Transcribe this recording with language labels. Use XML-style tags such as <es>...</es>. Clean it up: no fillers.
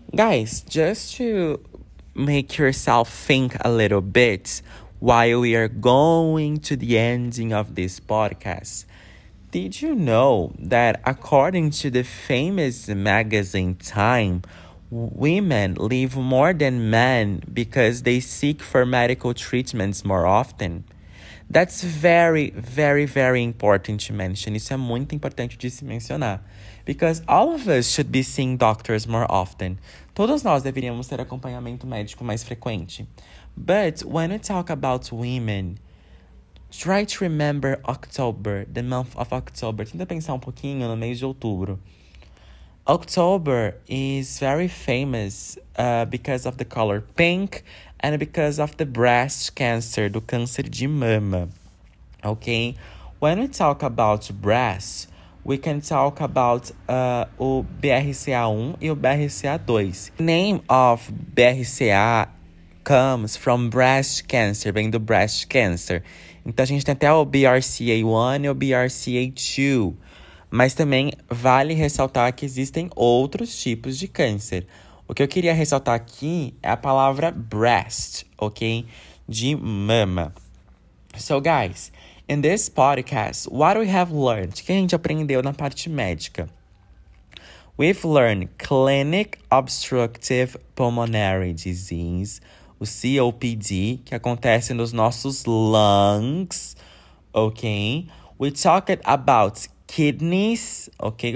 <en>Guys, just to make yourself think a little bit while we are going to the ending of this podcast, did you know that according to the famous magazine Time, women live more than men because they seek for medical treatments more often? That's very, very, very important to mention.</en> <pt>Isso é muito importante de se mencionar.</pt> <en>Because all of us should be seeing doctors more often.</en> <pt>Todos nós deveríamos ter acompanhamento médico mais frequente.</pt> <en>But when we talk about women, try to remember October, the month of October.</en> <pt>Tenta pensar um pouquinho no mês de outubro.</pt> <en>October is very famous because of the color pink and because of the breast cancer,</en> <pt>do câncer de mama,</pt> <en>okay? When we talk about breast, we can talk about o BRCA1 e o BRCA2. The name of BRCA comes from breast cancer,</en> <pt>vem do</pt> <en>breast cancer.</en> <pt>Então, a gente tem até o BRCA1 e o BRCA2. Mas também vale ressaltar que existem outros tipos de câncer. O que eu queria ressaltar aqui é a palavra breast, ok? De mama.</pt> <en>So, guys, in this podcast, what we have learned?</en> <pt>O que a gente aprendeu na parte médica?</pt> <en>We've learned clinic obstructive pulmonary disease, o COPD,</en> <pt>que acontece nos nossos</pt> <en>lungs, ok? We talked about kidneys, ok?</en>